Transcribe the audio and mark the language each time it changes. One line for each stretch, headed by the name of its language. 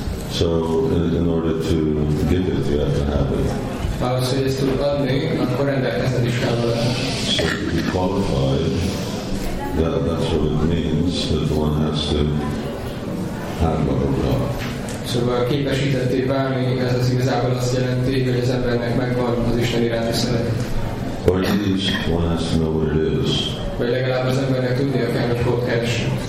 English: So in order to give it, you have to have it. So to be qualified, that's what it means, that one has to have love of God.
Hungarian: Szóval képesítetté válni, ez az igazából azt jelenti, hogy az embernek megvan az Isten iránti szeretet.
English: Or at least one has to know what it is.
Hungarian: Vagy legalább az embernek tudnia kell, hogy fog keresni.